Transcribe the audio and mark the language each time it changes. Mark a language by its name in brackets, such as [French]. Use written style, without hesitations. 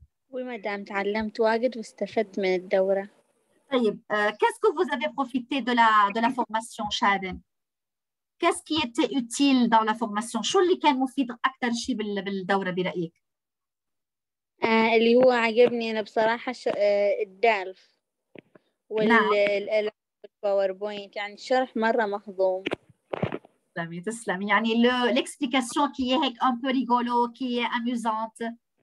[French] Oui, madame, [Arabic] تعلمت واجد واستفدت من الدورة. طيب، [French] qu'est-ce que vous avez profité de la formation, Shaden? Qu'est-ce qui était utile dans la formation? [Arabic] شو اللي كان مفيد أكثر شيء بالدورة برأيك؟ اللي هو عجبني أنا بصراحة الدالف والباوربوينت، يعني الشرح مرة مهضوم. تسلمي تسلمي، يعني [French] الإكسبليكاسيون كي هيك أون بو ريغولو، كي أميوزونت.